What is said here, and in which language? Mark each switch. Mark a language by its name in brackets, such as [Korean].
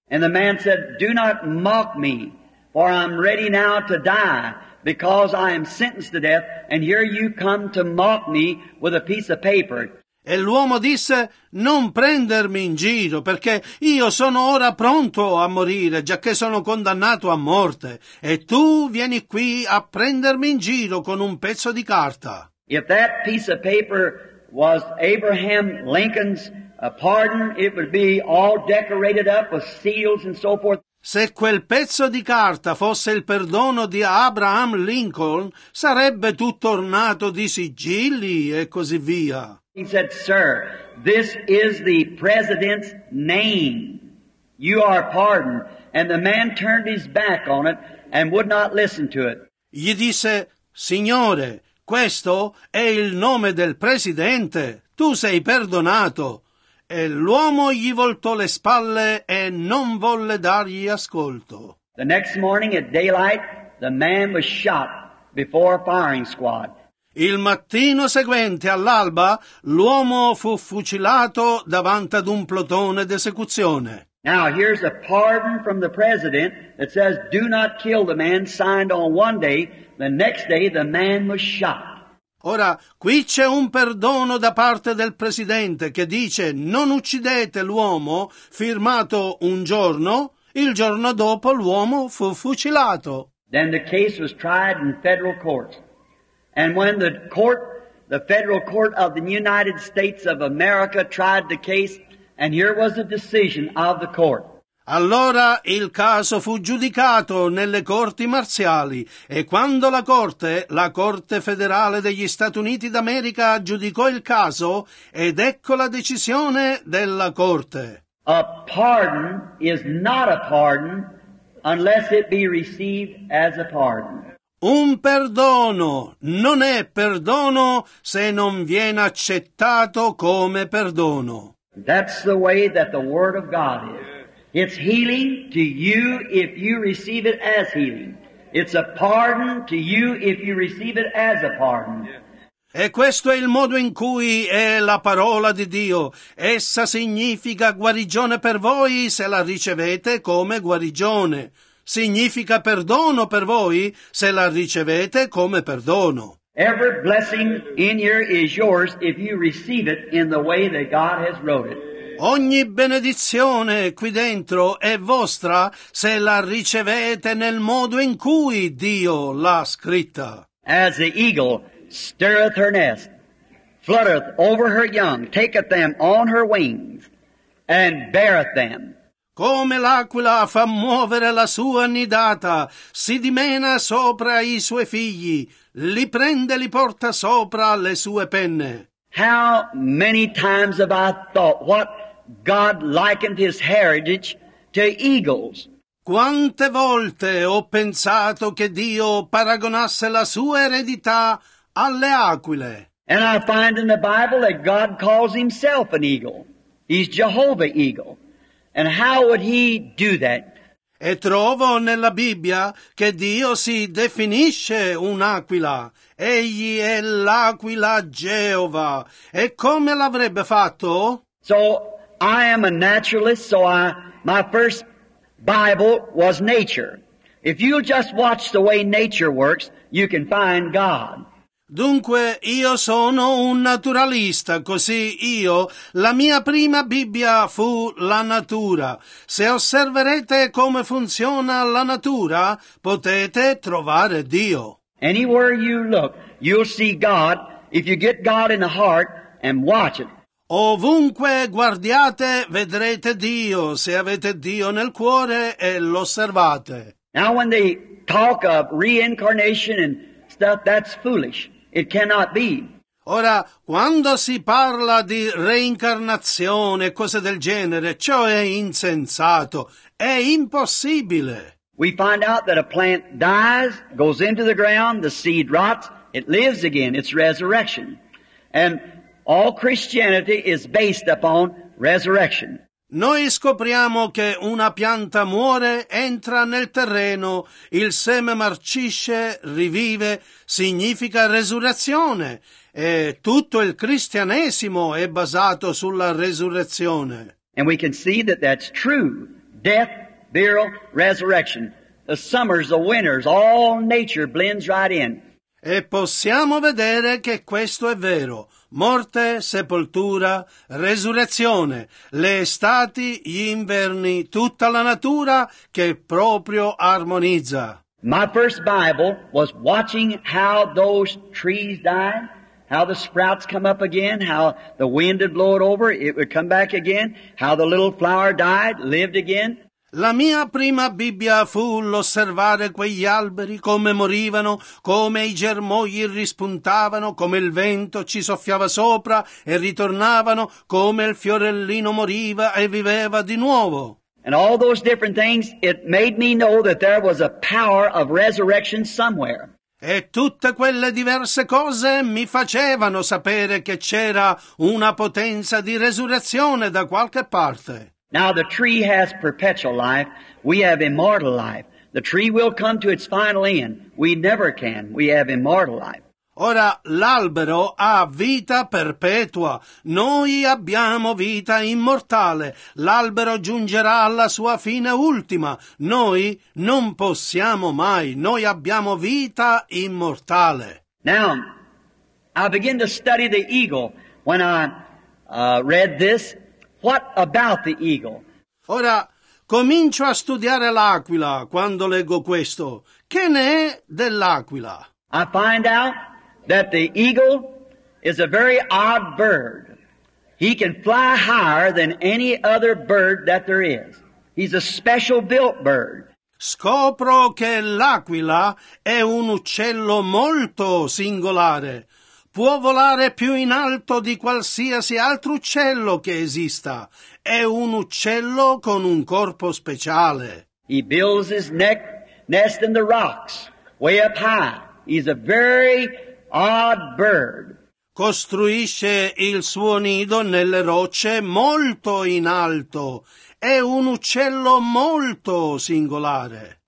[English] And the man said, Do not mock me, for I'm ready now to die, because I am sentenced to death, and here you come to mock me with a piece of paper. [Italian] E l'uomo disse, Non prendermi in giro, perché io sono ora pronto a morire, giacché sono condannato a morte, e tu vieni qui a prendermi in giro con un pezzo di carta. [English] If that piece of paper was Abraham Lincoln's a pardon, it would be all decorated up with seals and so forth. [Italian] Se quel pezzo di carta fosse il perdono di Abraham Lincoln, sarebbe tutto ornato di sigilli e così via. [English] He said, Sir, this is the president's name. You are pardoned. And the man turned his back on it and would not listen to it. [Italian] Gli disse, Signore, questo è il nome del presidente. Tu sei perdonato. E l'uomo gli voltò le spalle e non volle dargli ascolto. [English] The next morning at daylight, the man was shot before a firing squad. [Italian] Il mattino seguente all'alba, l'uomo fu fucilato davanti ad un plotone d'esecuzione. [English] Now here's a pardon from the president that says, "Do not kill the man." Signed on one day, the next day the man was shot. [Italian] Ora, qui c'è un perdono da parte del presidente che dice non uccidete l'uomo, firmato un giorno, il giorno dopo l'uomo fu fucilato. [English] Then the case was tried in federal court. And when the court, The Federal Court of the United States of America tried the case, and here was the decision of the court. [Italian] Allora il caso fu giudicato nelle corti marziali, e quando la Corte federale degli Stati Uniti d'America giudicò il caso, ed ecco la decisione della Corte. [English] A pardon is not a pardon unless it be received as a pardon. [Italian] Un perdono non è perdono se non viene accettato come perdono. [English] That's the way that the Word of God is. It's healing to you if you receive it as healing. It's a pardon to you if you receive it as a pardon. [Italian] E questo è il modo in cui è la parola di Dio. Essa significa guarigione per voi se la ricevete come guarigione. Significa perdono per voi se la ricevete come perdono. [English] Every blessing in here is yours if you receive it in the way that God has wrote it. [Italian] Ogni benedizione qui dentro è vostra se la ricevete nel modo in cui Dio l'ha scritta. [English] As the eagle stirreth her nest, fluttereth over her young, taketh them on her wings, and beareth them. [Italian] Come l'aquila fa muovere la sua nidata, si dimena sopra i suoi figli, li prende e li porta sopra le sue penne. [English] How many times have I thought what God likened his heritage to eagles? [Italian] Quante volte ho pensato che Dio paragonasse la sua eredità alle aquile? [English] And I find in the Bible that God calls himself an eagle. He's Jehovah Eagle. And how would he do that? [Italian] E trovo nella Bibbia che Dio si definisce un'aquila. Egli è l'aquila Geova. E come l'avrebbe fatto? [English] So I am a naturalist, so my first Bible was nature. If you'll just watch the way nature works, you can find God. [Italian] Dunque, io sono un naturalista, così io, la mia prima Bibbia fu la natura. Se osserverete come funziona la natura, potete trovare Dio. [English] Anywhere you look, you'll see God. If you get God in the heart and watch it. [Italian] Ovunque guardiate, vedrete Dio, se avete Dio nel cuore e lo osservate. [English] Now when they talk of reincarnation and stuff, that's foolish. It cannot be. [Italian] Ora, quando si parla di reincarnazione e cose del genere, ciò è insensato, è impossibile. [English] We find out that a plant dies, goes into the ground, the seed rots, it lives again, it's resurrection. And all Christianity is based upon resurrection. [Italian] Noi scopriamo che una pianta muore, entra nel terreno, il seme marcisce, rivive, significa resurrezione. E tutto il cristianesimo è basato sulla resurrezione. [English] And we can see that that's true. Death, burial, resurrection. The summers, the winters, all nature blends right in. [Italian] E possiamo vedere che questo è vero. Morte, sepoltura, resurrezione, le estati, gli inverni, tutta la natura che proprio armonizza. [English] My first Bible was watching how those trees die, how the sprouts come up again, how the wind would blow it over, it would come back again, how the little flower died, lived again. [Italian] La mia prima Bibbia fu l'osservare quegli alberi, come morivano, come i germogli rispuntavano, come il vento ci soffiava sopra e ritornavano, come il fiorellino moriva e viveva di nuovo. [English] And all those different things, it made me know that there was a power of resurrection somewhere. [Italian] E tutte quelle diverse cose mi facevano sapere che c'era una potenza di resurrezione da qualche parte. [English] Now the tree has perpetual life, we have immortal life. The tree will come to its final end, we never can, we have immortal life. [Italian] Ora, l'albero ha vita perpetua, noi abbiamo vita immortale. L'albero giungerà alla sua fine ultima, noi non possiamo mai, noi abbiamo vita immortale. [English] Now, I begin to study the eagle when I read this. What about the eagle? [Italian] Ora, comincio a studiare l'aquila quando leggo questo. Che ne è dell'aquila? [English] I find out that the eagle is a very odd bird. He can fly higher than any other bird that there is. He's a special built bird. [Italian] Scopro che l'aquila è un uccello molto singolare. Può volare più in alto di qualsiasi altro uccello che esista. È un uccello con un corpo speciale. [English] He builds his nest in the rocks, way up high. He's a very odd bird. [Italian] Costruisce il suo nido nelle rocce molto in alto. È un uccello molto singolare.